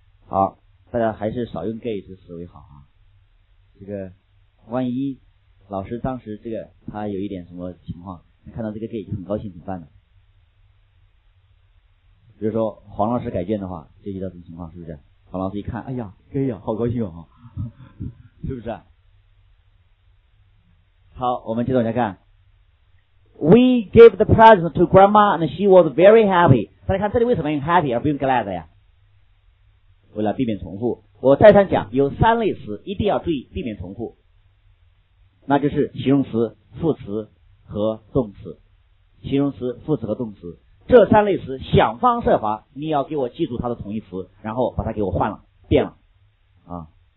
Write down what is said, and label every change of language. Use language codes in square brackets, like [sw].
[zh] 好，大家还是少用 gay 这个词为好啊。这个万一老师当时这个他有一点什么情况，看到这个 gay 就很高兴，怎么办呢？比如说黄老师改卷的话，就遇到什么情况，是不是？黄老师一看，哎呀 ，gay 呀、啊，好高兴啊，是不是啊？好，我们接着往下看。 [en] We gave the present to grandma and she was very happy。 [zh] 大家看这里为什么用 happy 而不用 glad 呀？为了避免重复，我再三讲，有三类词一定要注意避免重复，那就是形容词、副词和动词。形容词、副词和动词这三类词，想方设法你要给我记住它的同义词，然后把它给我换了、变了啊。